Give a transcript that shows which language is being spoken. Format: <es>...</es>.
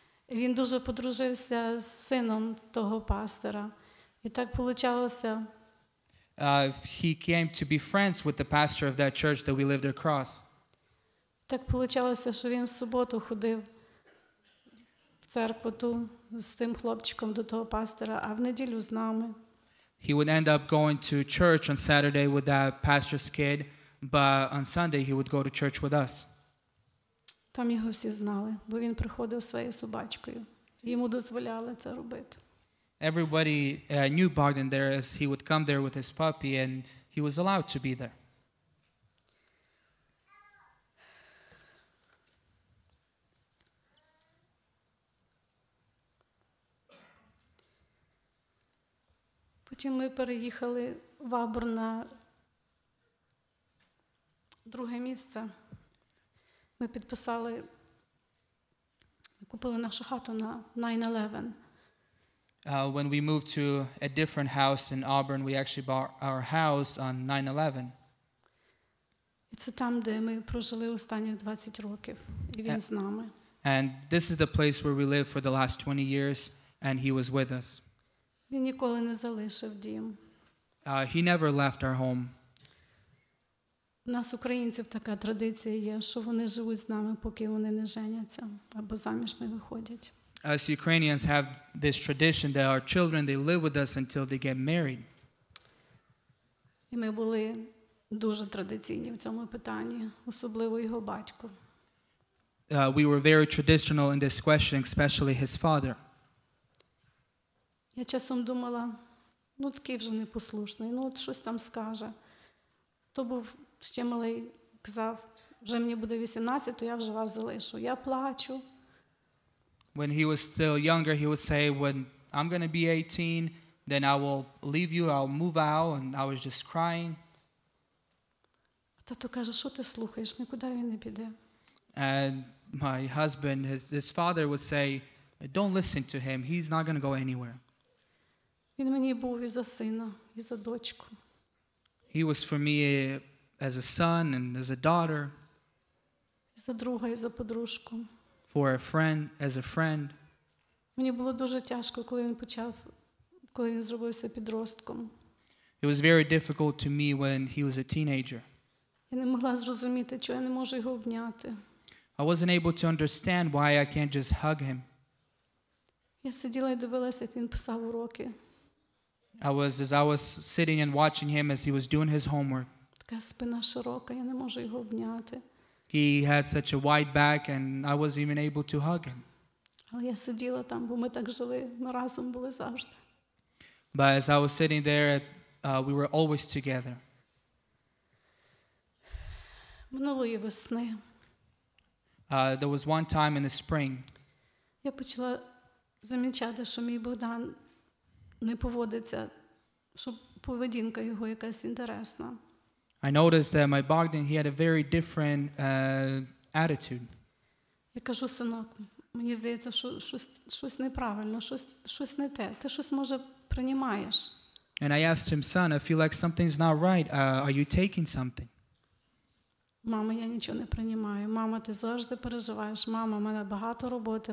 <uk>Він дуже подружився з сином того пастора. І так получалося.</uk> <en>He came to be friends with the pastor of that church that we lived across.</en> <uk>Так получалося, що він в суботу ходив в церкву ту з тим хлопчиком до того пастора, а в неділю з нами.</uk> <en>He would end up going to church on Saturday with that pastor's kid. But on Sunday, he would go to church with us.</en> <uk>Там його всі знали, бо він приходив своєю собачкою. Йому дозволяли це робити.</uk> <en>Everybody knew Bogdan there as he would come there with his puppy and he was allowed to be there.</en> <uk>Потім ми переїхали в Auburn на друге місце. Ми підписали, купили нашу хату на 9/11.</uk> <en>When we moved to a different house in Auburn, we actually bought our house on 9/11.</en> <uk>І це там, де ми прожили останні 20 років, і він з нами.</uk> <en>And this is the place where we lived for the last 20 years, and he was with us.</en> <uk>Він ніколи не залишив дім.</uk> <en>He never left our home.</en> <uk>У нас українців така традиція є, що вони живуть з нами, поки вони не женяться або заміж не виходять.</uk> <en>As Ukrainians have this tradition that our children, they live with us until they get married.</en> <uk>І ми були дуже традиційні в цьому питанні, особливо його батько.</uk> <en>We were very traditional in this question, especially his father.</en> <uk>Я часом думала, Ну, такий вже непослушний, ну, от щось там скаже. То був ще малий, казав, вже мені буде 18, то я вже вас залишу. Я плачу.</uk> <en>When he was still younger, he would say, when I'm going to be 18, then I will leave you, I'll move out, and I was just crying.</en> <uk>Тато каже, що ти слухаєш, нікуди він не піде.</uk> <en>And my husband, his father would say, don't listen to him, he's not going to go anywhere.</en> <uk>Він мені був і за сина, і за дочку.</uk> <en>He was for me as a son and as a daughter.</en> <uk>І за друга, і за подружку.</uk> <en>For a friend, as a friend.</en> <uk>Мені було дуже тяжко, коли він почав, коли він зробився підростком.</uk> <en>It was very difficult to me when he was a teenager.</en> <uk>Я не могла зрозуміти, чого я не можу його обняти.</uk> <en>I wasn't able to understand why I can't just hug him.</en> <uk>Я сиділа і дивилася, як він писав уроки.</uk> <en>I was sitting and watching him as he was doing his homework.</en> <uk>Така спина широка, я не можу його обняти.</uk> <en>He had such a wide back and I wasn't even able to hug him.</en> <uk>Але я сиділа там, бо ми так жили, ми разом були завжди.</uk> <en>But as I was sitting there, we were always together.</en> <uk>Минулої весни.</uk> <en>There was one time in the spring.</en> <uk>Я почала замічати, що мій Богдан не поводиться, що поведінка його якась інтересна.</uk> <en>I noticed that my Bogdan, he had a very different attitude.</en> <uk>Я кажу, синок, мені здається, що щось неправильно, щось не те. Ти щось, може, приймаєш?</uk> <en>And I asked him, son, I feel like something's not right. Are you taking something?</en> <uk>Мама, я нічого не приймаю. Мама, ти завжди переживаєш. Мама, в мене багато роботи.</uk>